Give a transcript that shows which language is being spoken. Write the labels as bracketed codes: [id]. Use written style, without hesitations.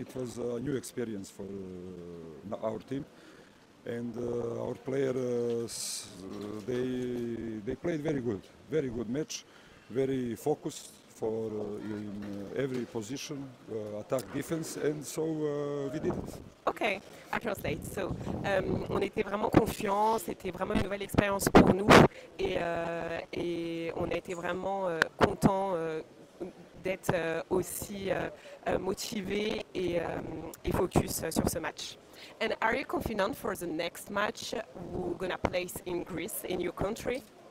[en] It was a new experience for our team, and our players they played very good match, very focused for in every position, attack, defense, and so we did it. Okay, I translate. [fr] So, on était vraiment confiants, c'était vraiment une nouvelle expérience pour nous et on a été vraiment contents d'être aussi motivés et focus sur ce match. [en] And are you confident for the next match we're gonna play in Greece, in your country?